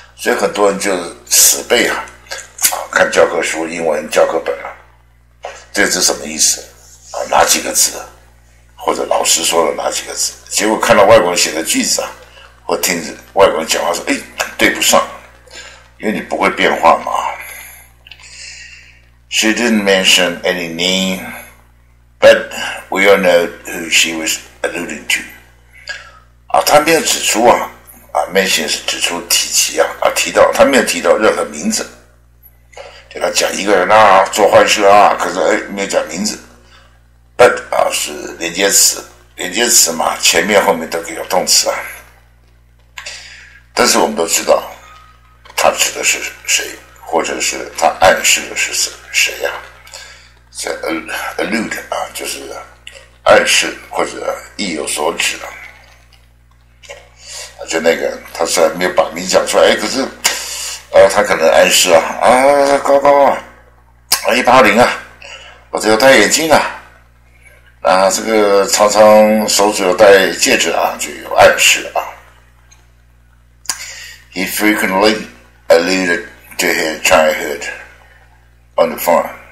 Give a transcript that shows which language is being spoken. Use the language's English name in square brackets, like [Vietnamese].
[Chinese] 所以很多人就死背 啊看教科书英文教科本啊，这是什么意思啊，哪几个字，或者老师说了哪几个字，结果看到外国人写的句子啊，或听着外国人讲话说，哎，对不上，因为你不会变化嘛。 [English] She didn't mention any name, but we all know who she was alluding to. [Chinese] 啊，她没有指出啊，啊 ，mention 是指出提及啊，啊提到，她没有提到任何名字，就她讲一个人啊，做坏事啊，可是哎没有讲名字。 But 啊是连接词，连接词嘛，前面后面都可以有动词啊。但是我们都知道。他指的是谁，或者是他暗示的是谁啊，这 allude 啊就是暗示或者意有所指啊，就那个他虽然没有把名讲出来，哎，可是他可能暗示啊高高啊 ,180 啊，我只有戴眼镜啊，啊这个常常手指有戴戒指啊，就有暗示啊。 [English] He frequentlyalluded to her childhood on the farm.